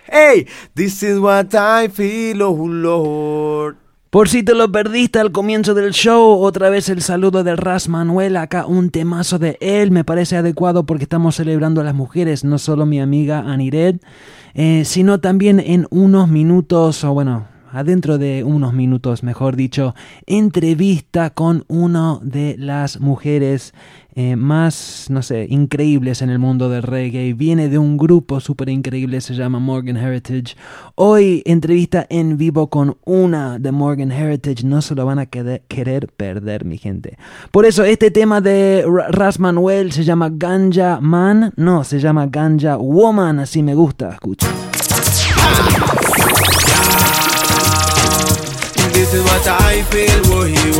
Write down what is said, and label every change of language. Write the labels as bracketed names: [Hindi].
[English] Hey, this is what I feel, oh Lord. [Spanish] Por si te lo perdiste al comienzo del show, otra vez el saludo de Ras Manuel, acá un temazo de él, me parece adecuado porque estamos celebrando a las mujeres, no solo mi amiga Aniret, sino también en unos minutos, o bueno, adentro de unos minutos, mejor dicho, entrevista con una de las mujeres más, no sé, increíbles en el mundo del reggae. Viene de un grupo súper increíble, se llama Morgan Heritage. Hoy, entrevista en vivo con una de Morgan Heritage. No se lo van a querer perder, mi gente. Por eso, este tema de Ras Manuel se llama Ganja Man. No, se llama Ganja Woman, así me gusta, escucha. [English] This is what I feel, woo-hee-woo.